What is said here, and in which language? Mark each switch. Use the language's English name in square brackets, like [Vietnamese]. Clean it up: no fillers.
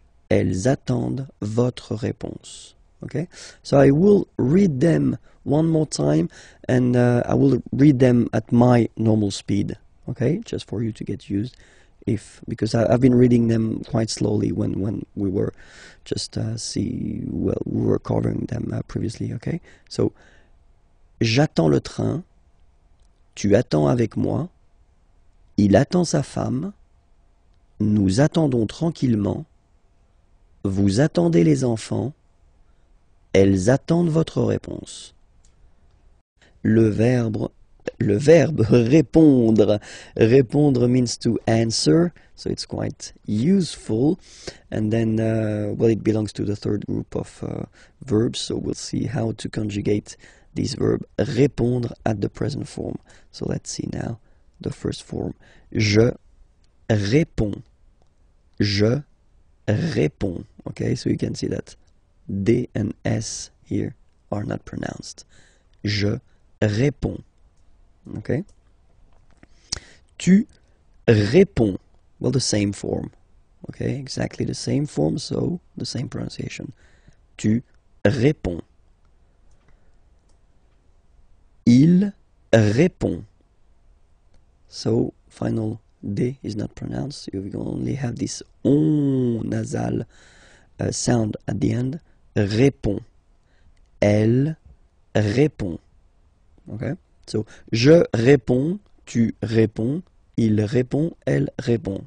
[French] Elles attendent votre réponse. [English] Okay? So I will read them one more time, and I will read them at my normal speed. Okay? Just for you to get used. Because I've been reading them quite slowly when we were just we were covering them previously. Okay? [French] So, j'attends le train, tu attends avec moi, il attend sa femme, nous attendons tranquillement, vous attendez les enfants, elles attendent votre réponse. Le verbe répondre. [English] Répondre means to answer, so it's quite useful. And then, it belongs to the third group of verbs, so we'll see how to conjugate this verb répondre at the present form. So let's see now the first form. [French] Je réponds. Je réponds. [English] Okay, so you can see that D and S here are not pronounced. [French] Je réponds. [English] Okay. [French] Tu réponds. [English] Well, the same form. Okay, exactly the same form, so the same pronunciation. [French] Tu réponds. Il répond. [English] So, final D is not pronounced. You only have this on nasal sound at the end. [French] Répond. Elle répond. Okay. So, je réponds, tu réponds, il répond, elle répond.